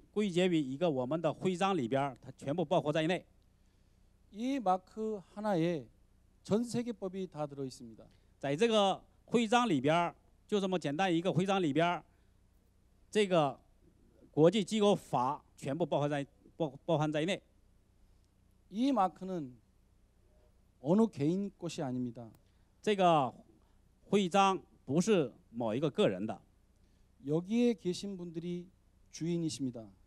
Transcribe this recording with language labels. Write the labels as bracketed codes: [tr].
[zh] 所有这个国际机构的这么多的宪法的条例，把这个这么丰富的条例呢，我们归纳于归结于一个我们的徽章里边，它全部包括在内。 [ko] 이 마크 하나에 전 세계법이 다 들어 있습니다. [zh] 在这个徽章里边，就这么简单一个徽章里边，这个国际机构法全部包含在内。 [ko] 이 마크는 어느 개인 것이 아닙니다. 제가 [zh] 徽章不是某一个个人的。 [ko] 여기에 계신 분들이 주인이십니다.